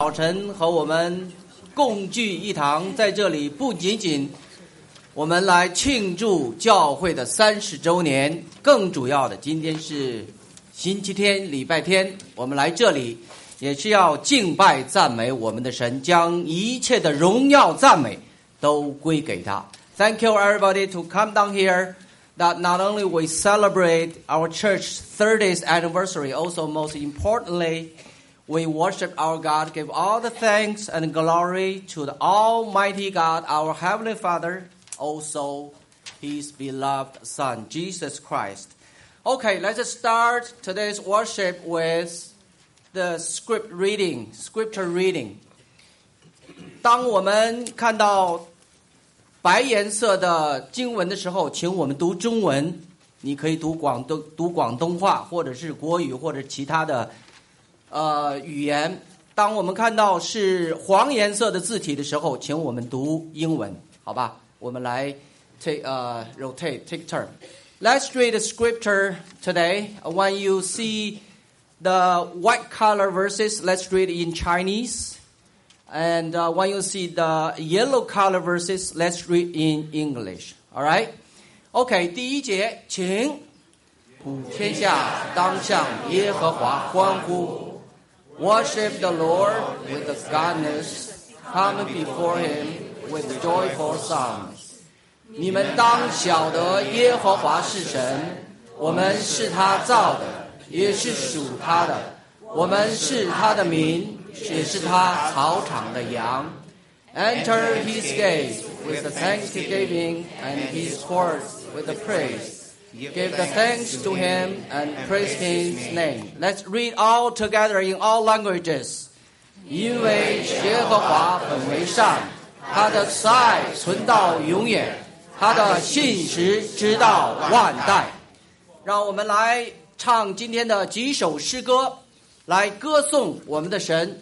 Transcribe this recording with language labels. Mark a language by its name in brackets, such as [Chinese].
[Chinese] 早晨和我们共聚一堂，在这里不仅仅我们来庆祝教会的30周年，更主要的，今天是星期天，礼拜天，我们来这里也是要敬拜赞美我们的神，将一切的荣耀赞美都归给他。 [English] Thank you everybody to come down here that not only we celebrate our church 30th anniversary, also most importantly,We worship our God, give all the thanks and glory to the Almighty God, our Heavenly Father, also His beloved Son, Jesus Christ. Okay, let's start today's worship with the scripture reading. [Chinese] 当我们看到白颜色的经文的时候，请我们读中文，你可以读广东话，或者是国语，或者其他的语言。当我们看到是黄颜色的字体的时候，请我们读英文，好吧？我们来 [English] take turn. Let's read the scripture today. When you see the white color verses, let's read in Chinese. And when you see the yellow color verses, let's read in English. All right? Okay, [Chinese] 第一节，请普天下当向耶和华欢呼。 [English] Worship the Lord with the gladness, come before Him with joyful songs. [Chinese] 你们当晓得耶和华是神，我们是他造的，也是属他的，我们是他的民，也是他草场的羊。 [English] Enter His gates with thanksgiving and His courts with praise. Give the thanks to him and praise his name. Let's read all together in all languages. [Chinese] 因为耶和华本为善，他的慈爱存到永远，他的信实直到万代。让我们来唱今天的几首诗歌，来歌颂我们的神。